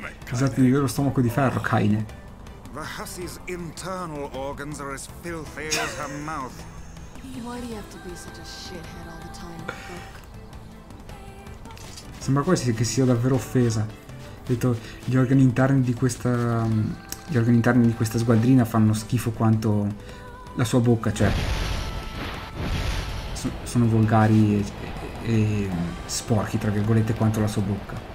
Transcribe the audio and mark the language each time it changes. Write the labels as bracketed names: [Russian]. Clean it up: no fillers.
[Italian] Usate il vero stomaco di ferro, Kaine. [English] The hussy's internal organs are as filthy as her mouth. Why do you have to be such a shithead all the time, Brooke? [Italian] Sembra quasi che sia davvero offesa. Ho detto, gli organi interni di questa sgualdrina fanno schifo quanto la sua bocca, cioè. Sono volgari e sporchi, tra virgolette, quanto la sua bocca.